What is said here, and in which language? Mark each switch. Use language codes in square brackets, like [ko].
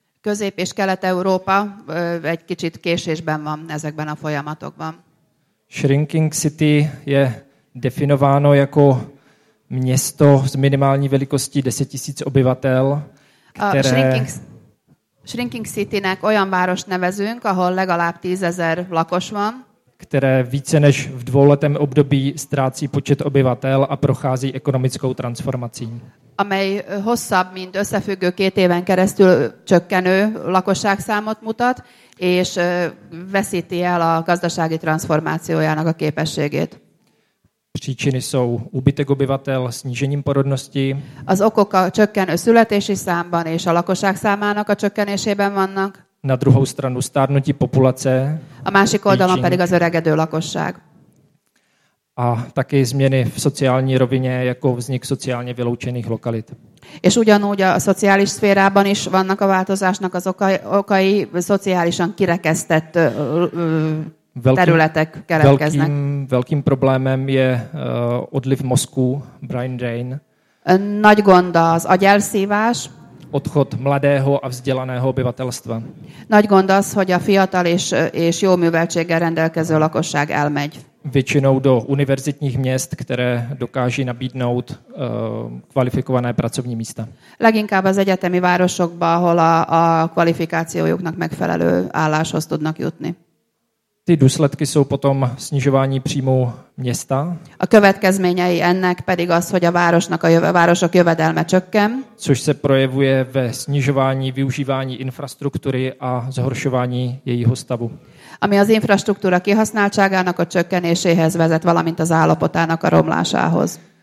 [hu] Közép- és Kelet-Európa egy kicsit késésben van ezekben a folyamatokban. [cs] Shrinking city je definováno jako město s minimální velikostí 10 000 obyvatel, které... [hu] Shrinking city-nek olyan várost nevezünk, ahol legalább 10 000 lakos van. [cs] Které více než v dvouletém období ztrácí počet obyvatel a prochází ekonomickou transformací. [hu] Amely hosszabb, mint összefüggő két éven keresztül csökkenő lakosságszámot mutat, és veszíti el a gazdasági transformációjának a képességét. [cs] Příčiny jsou úbytek obyvatel, snížením porodnosti. [hu] Az okok a csökkenő születési számban és a lakosság számának a csökkenésében vannak. [cs] Na druhou stranu stárnutí populace. [hu] A másik oldalon pedig az öregedő lakosság. [cs] A také změny v sociální rovině, jako vznik sociálně vyloučených lokalit. [hu] És ugyanúgy a szociális szférában is vannak a változásnak az okai szociálisan kirekesztett területek keletkeznek. [cs] Velkým problémem je odliv mozku, brain drain. [hu] Nagy gond az agyelszívás. [cs] Odchod mladého a vzdělaného obyvatelstva. [hu] Nagy gond az, hogy a fiatal és jó műveltséggel rendelkező lakosság elmegy. [cs] většinou do univerzitních měst, které dokáží nabídnout kvalifikované pracovní místa. [hu] Leginkább az egyetemi városokba, ahol a kvalifikációjuknak megfelelő álláshoz tudnak jutni. [cs] Ty důsledky jsou potom snižování příjmu města. [hu] A következményei ennek pedig az, hogy a városok jövedelme csökken. [cs] Což se projevuje ve snižování využívání infrastruktury a zhoršování jejího stavu. [hu] Ami az infrastruktúra kihasználtságának a csökkenéséhez vezet, valamint az állapotának a romlásához.